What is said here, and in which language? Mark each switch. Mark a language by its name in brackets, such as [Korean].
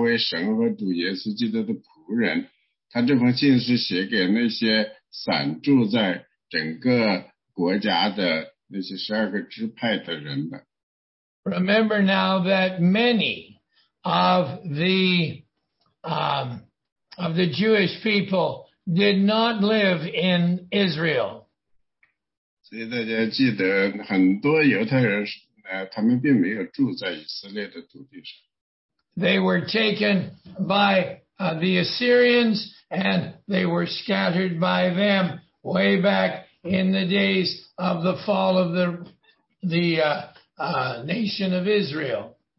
[Chinese] 所以呢,雅各呢,称他为神和主耶稣基督的仆人, 他这封信是写给那些 [English] Remember now that many of the Jewish people did not live in Israel. [Chinese] 所以大家记得很多犹太人他们并没有住在以色列的土地上。 [English] They were taken by the Assyrians, and they were scattered by them way back in the days of the fall of the nation of Israel.